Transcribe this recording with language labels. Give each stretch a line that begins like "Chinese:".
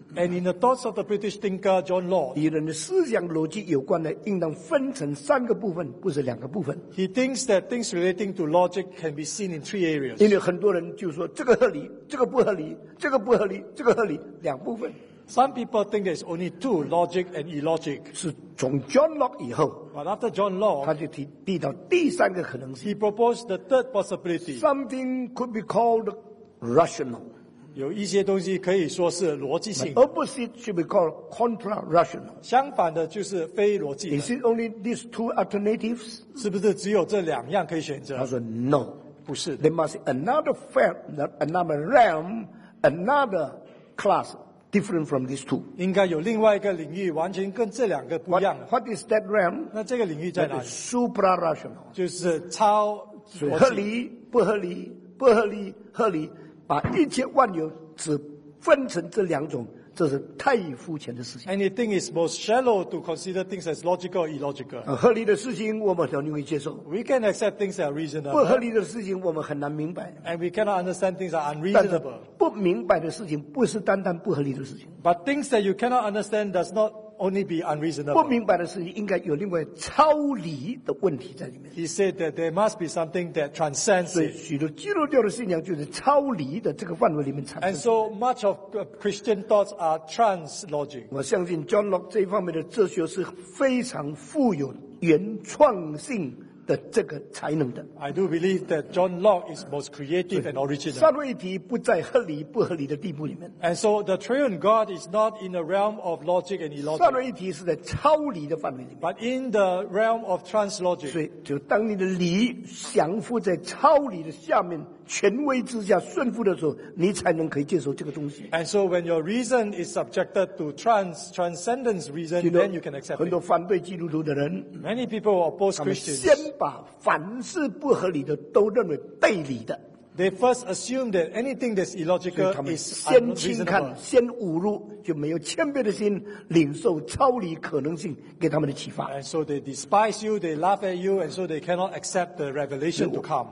English: And in the thoughts of the British thinker John Locke.
Chinese: 与人的思想逻辑有关的应当分成三个部分不是两个部分
English: He thinks that things relating to logic can be seen in three areas.
Chinese: 因为很多人就说这个合理这个不合理这个不合理这个合理两部分
English: Some people think there's only two logic and illogic.
Chinese: 是从 John Locke 以后
English: But after John Locke,
Chinese: 他就提到第三个可能性
English: He proposed the third possibility. Something could be called rational.
Chinese: 有一些东西可以说是逻辑性
English: opposite should be called contra-rational
Chinese: 相反的就是非逻辑的
English: is it only these two alternatives
Chinese: 是不是只有这两样可以选择他说
English: no
Chinese: 不是
English: there must be another field another realm another class different from these two
Chinese: 应该有另外一个领域完全跟这两个不一样
English: what is that realm
Chinese: 那这个领域在哪里
English: supra-rational
Chinese: 就是超逻辑合理不合理不合理合理把一切万有只分成这两种，这是太肤浅的事情。
English: Anything is most shallow to consider things as logical or illogical.
Chinese: 合理的事情我们很容易接受。
English: We can accept things that are reasonable.
Chinese: 不合理的事情我们很难明白。
English: And we cannot understand things that are unreasonable.
Chinese: 但是不明白的事情不是单单不合理的事情。
English: But things that you cannot understand does not only be unreasonable.
Chinese: 不明白的事情应该有另外超理的问题在里面。
English: He said that there must be something that transcends it.
Chinese: 许多基督教的信仰就是超理的这个范围里面产生。
English: And so much of Christian thoughts are translogic.
Chinese: 我相信 John Locke 这方面的哲学是非常富有原创性的这个才能的。
English: I do believe that John Locke is most creative and original.
Chinese: 三位一体不在合理不合理的地步里面。
English: And so the triune God is not in the realm of logic and illogic.
Chinese: 三位一体是在超理的范围里面。
English: But in the realm of translogic.
Chinese: 所以就当你的理降服在超理的下面权威之下顺服的时候你才能可以接受这个东西。
English: And so when your reason is subjected to transcendence reason, then you can accept it.
Chinese: 很多反对基督徒的人
English: Many people who oppose Christians.
Chinese: 先把凡事不合理的都认为背理的。
English: They first assume that anything that's illogical is unreasonable.
Chinese: 先轻看先侮辱就没有谦卑的心领受超理可能性给他们的启发。
English: And so they despise you, they laugh at you, and so they cannot accept the revelation to come.